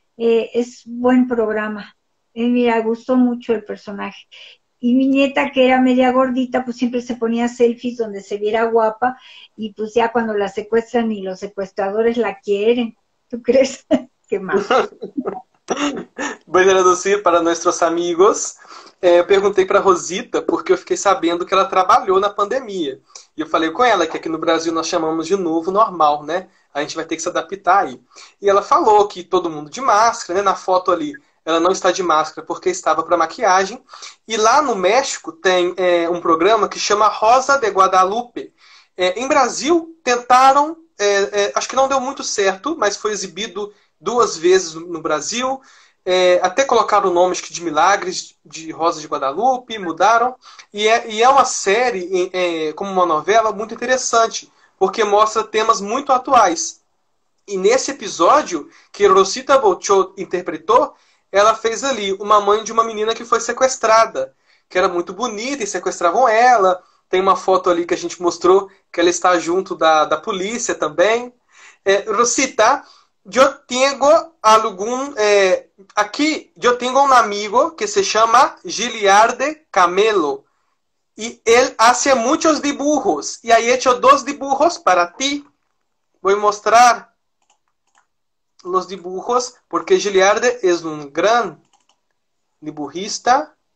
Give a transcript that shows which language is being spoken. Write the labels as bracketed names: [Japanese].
[Spanish] Es buen programa. Mira, gustó mucho el personaje. Y mi nieta, que era media gordita, pues siempre se ponía selfies donde se viera guapa, y pues ya cuando la secuestran y los secuestradores la quieren. ¿Tú crees? ¿Qué más? Voy a traducir para nuestros amigos. [Portuguese] Perguntei para Rosita, porque eu fiquei sabendo que ela trabalhou na pandemia. E eu falei com ela que aqui no Brasil nós chamamos de novo normal, né? A gente vai ter que se adaptar aí. E ela falou que todo mundo de máscara, né? Na foto ali, ela não está de máscara porque estava para maquiagem. E lá no México tem um programa que chama Rosa de Guadalupe. Em Brasil, tentaram, acho que não deu muito certo, mas foi exibido 2 vezes no Brasil. Até colocaram o nome de Milagres de Rosa de Guadalupe, mudaram. E é uma série, como uma novela, muito interessante, porque mostra temas muito atuais. E nesse episódio, que Rosita Bochó interpretou, ela fez ali uma mãe de uma menina que foi sequestrada, que era muito bonita e sequestravam ela. Tem uma foto ali que a gente mostrou que ela está junto da polícia também. [Spanish] Rosita, yo tengo algún... aquí, yo tengo un amigo que se llama Giliarde Camelo. Y él hace muchos dibujos. Y ahí he hecho 2 dibujos para ti. Voy a mostrar los dibujos, porque Giliarde es un gran dibujista.